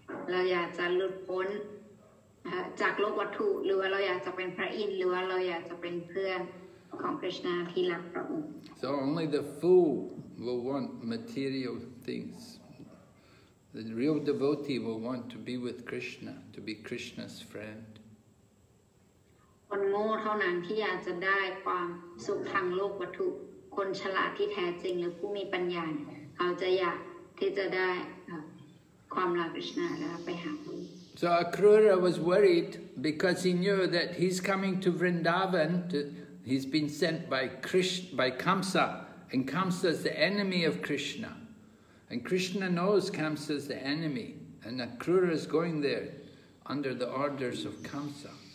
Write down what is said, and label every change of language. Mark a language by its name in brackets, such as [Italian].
[Thai] เราอยากจะหลุดพ้นจากโลกวัตถุหรือว่าเราอยากจะเป็นพระอินทร์หรือว่าเราอยากจะเป็นเพื่อนของคริชนาที่รักพระองค์ [English] So only the fool will want material things. The real devotee will want to be with Krishna, to be Krishna's friend. [Thai] คนโง่เท่านั้นที่อยากจะได้ความสุขทางโลกวัตถุคนฉลาดที่แท้จริงหรือผู้มีปัญญาเขาจะอยากที่จะได้ความรักคริชนาแล้วไปหา [English] So Akrura was worried because he knew that he's coming to Vrindavan. He's been sent by Krishna, by Kamsa, and Kamsa is the enemy of Krishna. And Krishna knows Kamsa is the enemy, and Akrura is going there under the orders of Kamsa.